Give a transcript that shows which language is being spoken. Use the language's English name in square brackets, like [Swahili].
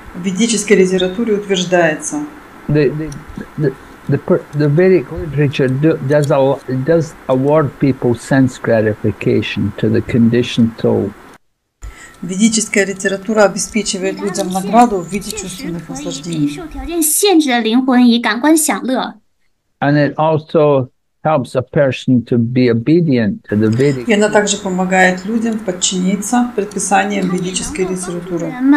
[Russian] В ведической литературе утверждается. [English] The Vedic literature does award people sense gratification to the conditioned soul. [Russian] Ведическая литература обеспечивает людям награду в виде чувственных наслаждений. [English] And it also helps a person to be obedient to the Vedic. [Russian] И она также помогает людям подчиниться предписаниям ведической литературы.